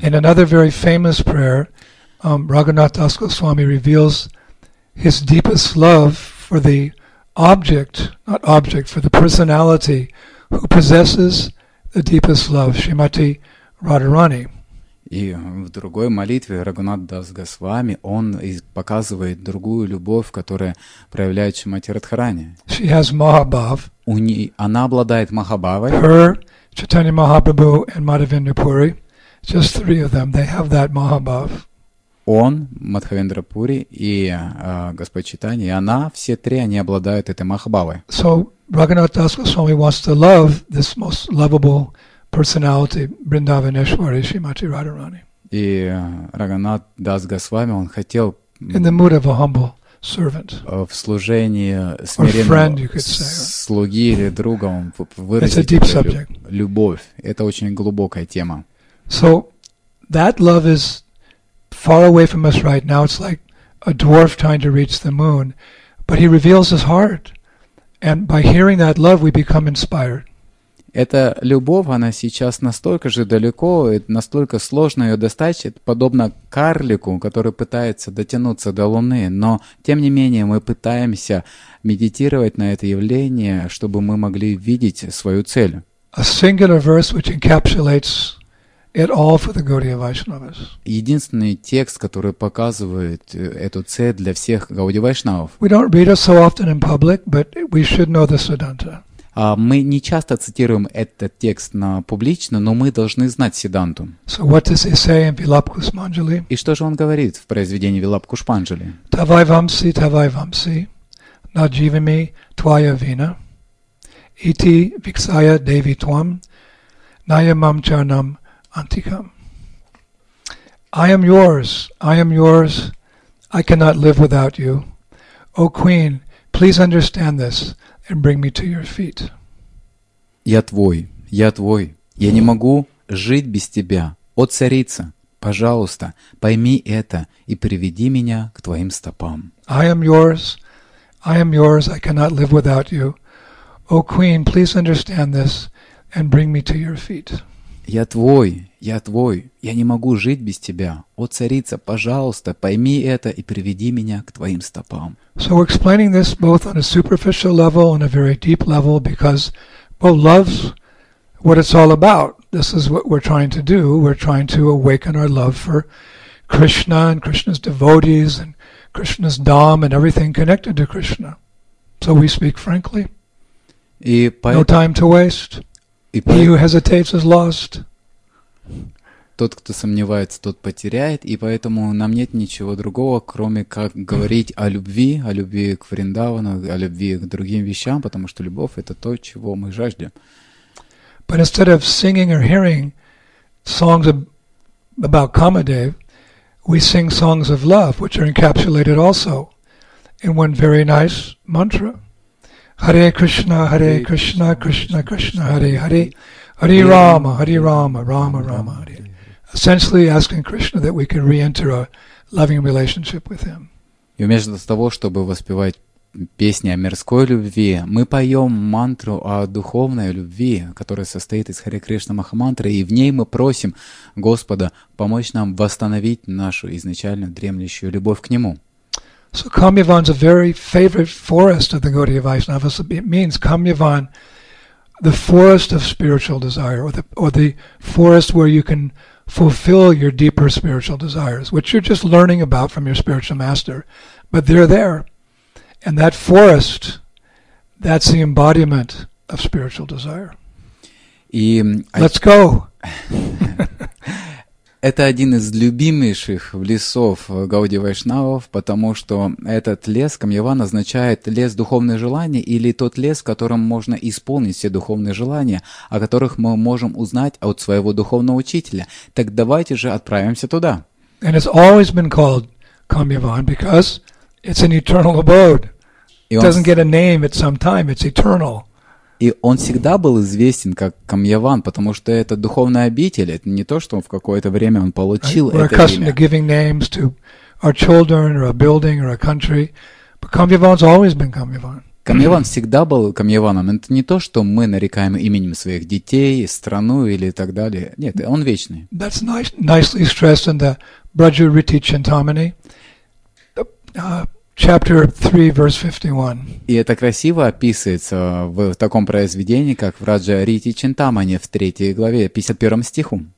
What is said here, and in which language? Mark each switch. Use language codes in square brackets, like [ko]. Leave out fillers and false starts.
[en] In another very famous prayer, Raghunath Das Goswami reveals his deepest love for the for the personality who possesses the deepest love, Shrimati Radharani. [ru] И в другой молитве Рагунат Дас Госвами он показывает другую любовь, которая проявляет Шримати Радхарани. [en] She has Mahabhav. [ru] У нее она обладает Махабхавой. [en] Her, Chaitanya Mahaprabhu and Madhavendra Puri, just three of them, they have that Mahabhav. [ru] он, Мадхавендра Пури, и Господь Чайтанья, и она, все три, они обладают этой Махабхавой. [en] So, Raghunath Das Goswami wants to love this most lovable personality, Vrindavaneshwari Shrimati Radharani. [ru] И Раганат Дас Госвами, он хотел [en] in the mood of a humble servant, [ru] в служении смиренного [en] friend, [ru] слуги или друга он выразить любовь. Это очень глубокая тема. [en] So, that love is far away from us right now. It's like a dwarf trying to reach the moon. But he reveals his heart. And by hearing that love, we become inspired. [ru] Эта любовь, она сейчас настолько же далеко, настолько сложно ее достать, подобно карлику, который пытается дотянуться до Луны. Но, тем не менее, мы пытаемся медитировать на это явление, чтобы мы могли видеть свою цель. [en] A singular verse which encapsulates it all for the Gaudiya Vaishnavas. [ru] Единственный текст, который показывает эту цель для всех Гауди Вайшнавов. [en] We don't read it so often in public, but we should know the Siddhanta. [ru] Мы не часто цитируем этот текст на публично, но мы должны знать Сиддханту. [en] So what does he say in Vilapkushmanjali? [ru] И что же он говорит в произведении Вилапкушманджали? [sa] Тавай вамси, надживами твая вина, ити виксая деви твам, найамам чарнам антикам. [en] I am yours, I cannot live without you. O Queen, please understand this. And bring me to your feet. [ru] Я твой. Я не могу жить без тебя. О, царица, пожалуйста, пойми это и приведи меня к твоим стопам. [en] I am yours. I cannot live without you. О, queen, please understand this and bring me to your feet. [ru] Я твой. Я не могу жить без тебя. О, царица, пожалуйста, пойми это и приведи меня к твоим стопам. [en] So we're explaining this both on a superficial level and a very deep level because, well, love's what it's all about. This is what we're trying to do. We're trying to awaken our love for Krishna and Krishna's devotees and Krishna's Dham and everything connected to Krishna. So we speak frankly. No time to waste. He who hesitates is lost. [ru] Тот, кто сомневается, тот потеряет, и поэтому нам нет ничего другого, кроме как говорить о любви к Вриндавану, о любви к другим вещам, потому что любовь — это то, чего мы жаждем. [en] But instead of singing or hearing songs about Kamadev, we sing songs of love, which are encapsulated also in one very nice mantra. Hare Krishna, Hare Krishna, Krishna Krishna, Hare Hare, Hare Rama, Hare Rama, Rama Rama, Hare. Essentially asking Krishna that we can re-enter a loving relationship with Him. [ru] И вместо того, чтобы воспевать песни о мирской любви, мы поем мантру о духовной любви, которая состоит из Харе Кришна Махамантры, и в ней мы просим Господа помочь нам восстановить нашу изначально дремлющую любовь к Нему. [en] So Kamyavan is a very favorite forest of the Gaudiya Vaishnavas. It means Kamyavan, the forest of spiritual desire, or the forest where you can fulfill your deeper spiritual desires, which you're just learning about from your spiritual master. But they're there. And that forest, that's the embodiment of spiritual desire. Let's go! [ru] Это один из любимейших лесов Гауди Вайшнавов, потому что этот лес, Камьяван, означает лес духовных желаний или тот лес, в котором можно исполнить все духовные желания, о которых мы можем узнать от своего духовного учителя. Так давайте же отправимся туда. [en] And it's always been called Камьяван because it's an eternal abode. It doesn't get a name at some time, it's eternal. [ru] И он всегда был известен как Камьяван, потому что это духовная обитель, это не то, что в какое-то время он получил это имя. [en] We're accustomed to giving names to our children or a building or a country, but Камьяван's always been Камьяван. [ru] Камьяван всегда был Камьяваном. Это не то, что мы нарекаем именем своих детей, страну или так далее. Нет, он вечный. [en] That's nicely stressed in the Braja Riti Chintamani. Chapter 3, verse 51. [ru] И это красиво описывается в таком произведении, как в Раджа Рити Чинтамани в 3 главе, 51 стиху.